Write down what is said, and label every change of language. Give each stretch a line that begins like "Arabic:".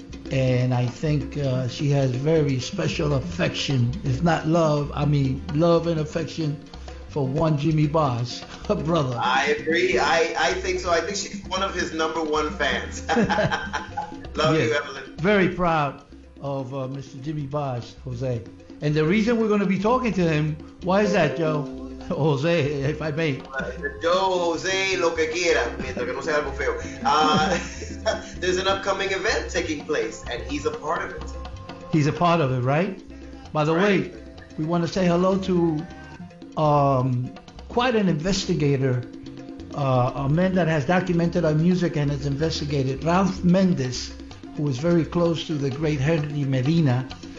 English: And I think she has very special affection, if not love, I mean love and affection, for one Jimmy Bosch, her brother. I agree. I think so. I think she's one of his number one fans. Love yes. you, Evelyn. Very proud of Mr. Jimmy Bosch, Jose. And the reason we're going to be talking to him, why is that, Joe? Jose, if I may.
Spanish: Joe, Jose, lo que quiera, mientras que no sea algo feo.
English: There's an upcoming event taking place, and he's a part of it. He's a part of it, right? By the way, we want to say hello to quite an investigator, a man that has documented our music and has investigated, Ralph Mendez, who is very close to the great Henry Medina.